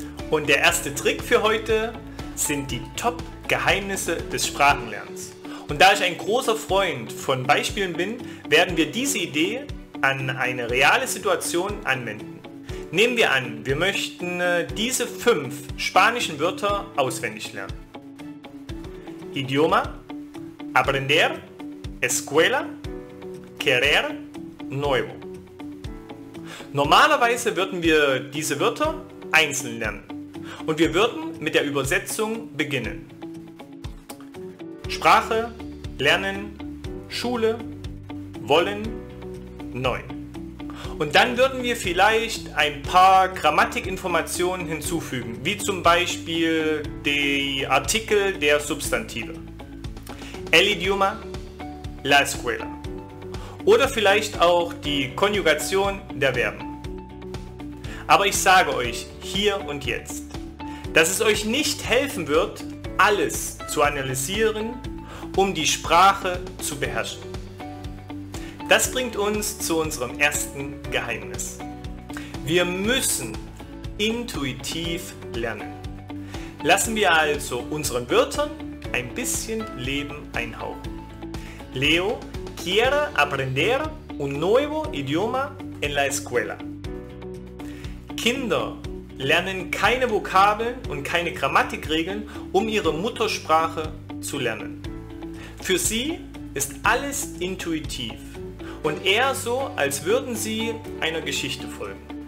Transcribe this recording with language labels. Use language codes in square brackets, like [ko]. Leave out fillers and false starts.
[de] Und der erste Trick für heute sind die Top-Geheimnisse des Sprachenlernens. Und da ich ein großer Freund von Beispielen bin, werden wir diese Idee an eine reale Situation anwenden. Nehmen wir an, wir möchten diese 5 spanischen Wörter auswendig lernen. [es] Idioma, aprender, escuela, querer, nuevo. [de] Normalerweise würden wir diese Wörter einzeln lernen. Und wir würden mit der Übersetzung beginnen. Sprache, lernen, Schule, wollen, neu. Und dann würden wir vielleicht ein paar Grammatikinformationen hinzufügen, wie zum Beispiel die Artikel der Substantive. [es] El idioma, la escuela. [de] Oder vielleicht auch die Konjugation der Verben. Aber ich sage euch hier und jetzt, dass es euch nicht helfen wird, alles zu analysieren um die Sprache zu beherrschen. Das bringt uns zu unserem ersten Geheimnis. Wir müssen intuitiv lernen. Lassen wir also unseren Wörtern ein bisschen Leben einhauchen. [es] Leo quiere aprender un nuevo idioma en la escuela. [de] Kinder lernen keine Vokabeln und keine Grammatikregeln, um ihre Muttersprache zu lernen. Für sie ist alles intuitiv und eher so, als würden sie einer Geschichte folgen.